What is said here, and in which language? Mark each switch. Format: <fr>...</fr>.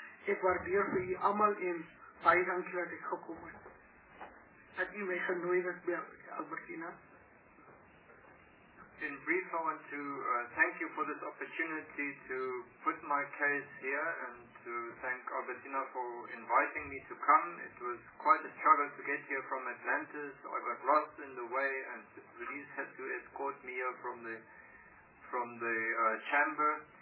<af>Ek waardeer vir u allemaal en baie dankie dat ek gekom het. Het u my genooi het by Albertina.</af> <en>In brief, I want to thank you for this opportunity to put my case here and to thank Albertina for inviting me to come. It was quite a struggle to get here from Atlantis. I got lost in the way and the police had to escort me here from the chamber.</en>